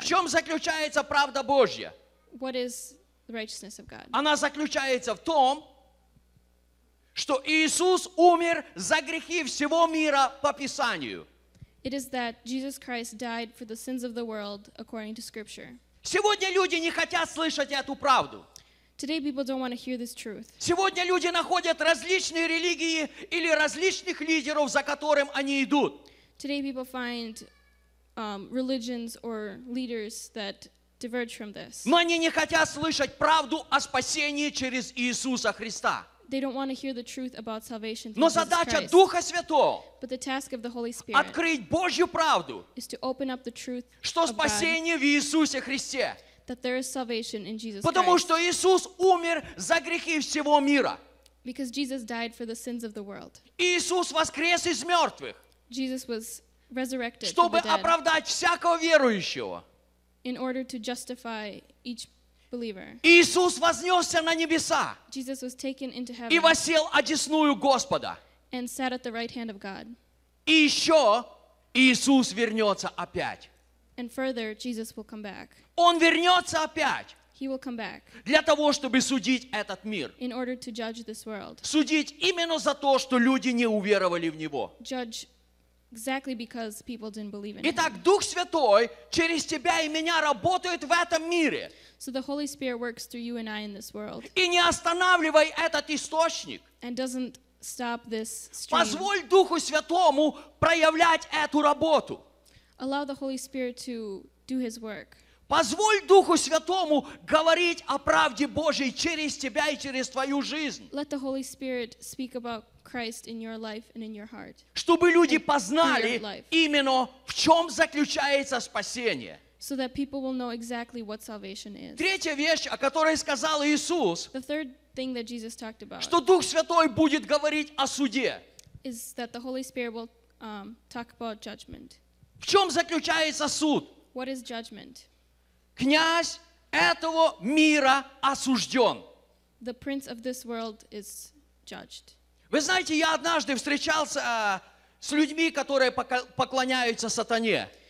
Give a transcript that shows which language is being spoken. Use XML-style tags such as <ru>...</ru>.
<ru>В чем заключается правда Божья?</ru> <en>What is the righteousness of God?</en> <ru>Она заключается в том, что Иисус умер за грехи всего мира по Писанию.</ru> <en>It is that Jesus Christ died for the sins of the world according to Scripture.</en> <ru>Сегодня люди не хотят слышать эту правду.</ru> <en>Today people don't want to hear this truth.</en> <ru>Сегодня люди находят различные религии или различных лидеров, за которым они идут.</ru> <en>Today people find religions or leaders that diverge from this.</en> <ru>Но они не хотят слышать правду о спасении через Иисуса Христа.</ru> <en>They don't want to hear the truth about salvation through Jesus Christ.</en> <ru>Но задача Духа Святого.</ru> <en>But the task of the Holy Spirit.</en> <ru>Открыть Божью правду.</ru> <en>Is to open up the truth.</en> <ru>Что спасение</ru> <en>of God,</en> <ru>в Иисусе Христе.</ru> <en>That there is salvation in Jesus Christ.</en> <ru>Потому что Иисус умер за грехи всего мира.</ru> <en>Because Jesus died for the sins of the world.</en> <ru>Иисус воскрес из мертвых.</ru> <en>Jesus was resurrected.</en> <ru>Чтобы оправдать всякого верующего.</ru> <en>In order to justify each believer.</en> <ru>Иисус вознесся на небеса.</ru> <en>Jesus was taken into heaven.</en> <ru>И воссел одесную Господа.</ru> <en>And sat at the right hand of God.</en> <ru>И еще Иисус вернется опять.</ru> <en>And further, Jesus will come back.</en> <ru>Он вернется опять.</ru> <en>He will come back.</en> <ru>Для того, чтобы судить этот мир.</ru> <en>In order to judge this world.</en> <ru>Судить именно за то, что люди не уверовали в Него.</ru> <en>Judge exactly because people didn't believe in Him.</en> <ru>Итак, Дух Святой через тебя и меня работает в этом мире.</ru> <en>So the Holy Spirit works through you and I in this world.</en> <ru>И не останавливай этот источник.</ru> <en>And doesn't stop this stream.</en> <ru>Позволь Духу Святому проявлять эту работу.</ru> <en>Allow the Holy Spirit to do His work.</en> <ru>Позволь Духу Святому говорить о правде Божьей через тебя и через твою жизнь.</ru> <en>Let the Holy Spirit speak about Christ in your life and in your heart.</en> <ru>Чтобы люди познали именно в чем заключается спасение.</ru> <en>So that people will know exactly what salvation is.</en> <ru>Третья вещь, о которой сказал Иисус,</ru> <en>the third thing that Jesus talked about,</en> <ru>что Дух Святой будет говорить о суде,</ru> <en>is that the Holy Spirit will talk about judgment.</en> <ru>В чем заключается суд?</ru> <en>What is judgment?</en> <ru>Князь этого мира осужден.</ru> <en>The prince of this world is judged.</en> <ru>Вы знаете, я однажды встречался с людьми, которые поклоняются сатане.</ru>